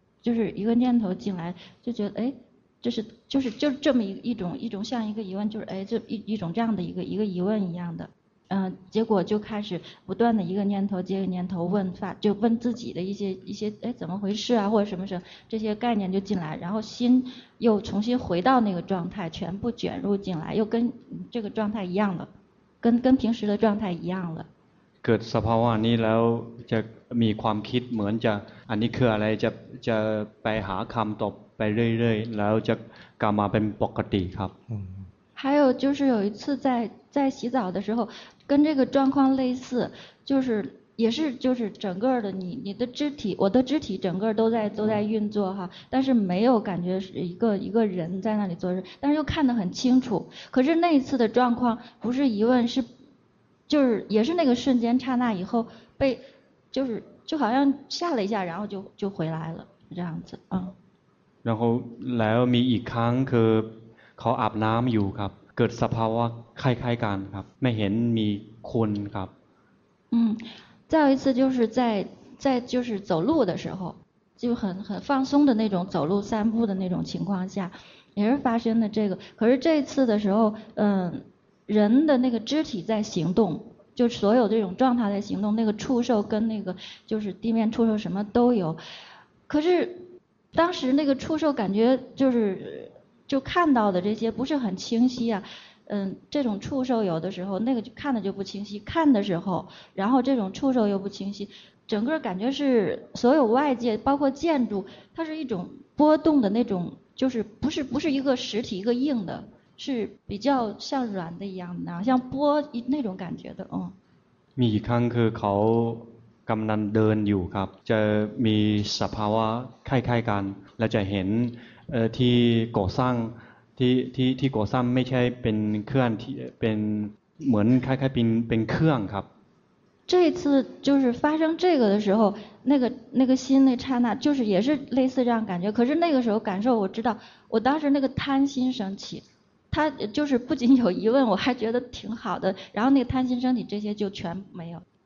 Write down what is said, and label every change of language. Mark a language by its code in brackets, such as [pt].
[zh] 就是一个念头进来，就觉得哎，就是这么一种像一个疑问，就是哎，就一种这样的一个疑问一样的，结果就开始不断的一个念头接一个念头问法，就问自己的一些哎怎么回事啊，或者什么什么这些概念就进来，然后心又重新回到那个状态，全部卷入进来，又跟这个状态一样了，跟平时的状态一样了。 [th] เกิดสภาวะนี้แล้วจะมีความคิดเหมือนจะอันนี้คืออะไรจะไปหาคำตอบไปเรื่อยๆแล้วจะกลับมาเป็นปกติครับ [zh] 还有就是有一次在洗澡的时候跟这个状况类似，就是也是就是整个的你的肢体，我的肢体整个都在运作哈，但是没有感觉是一个人在那里做事，但是又看得很清楚，可是那一次的状况不是疑问，是就是也是那个瞬间刹那以后被就好像吓了一下，然后就回来了这样子。 [th] 然后แล้วมีอีกครั้งคือเขาอาบน้ำอยู่ครับเกิดสภาวะคล้ายๆกันครับไม่เห็นมีคนครับ [zh] 再有一次就是在就是走路的时候，就很放松的那种走路散步的那种情况下也是发生的这个，可是这一次的时候人的那个肢体在行动，就所有这种状态在行动，那个触受跟那个就是地面触受什么都有，可是当时那个触受感觉就是就看到的这些不是很清晰啊，这种触受有的时候那个就看的就不清晰，看的时候然后这种触受又不清晰，整个感觉是所有外界包括建筑它是一种波动的那种，就是不是一个实体一个硬的，是比较像软的一样的，像波那种感觉的。 [th] มีครั้งคือเขากำลังเดินอยู่ครับจะมีสภาวะคล้ายๆกันและจะเห็นที่ก่อสร้างที่ก่อสร้างไม่ใช่เป็นเครื่องที่เป็นเหมือนคล้ายๆเป็นเครื่องครับ [zh] 这次就是发生这个的时候，那个心那刹那，就是也是类似这样感觉，可是那个时候感受我知道，我当时那个贪心升起。他就是不仅有疑问，我还觉得挺好的，然后那个贪心身体这些就全没有，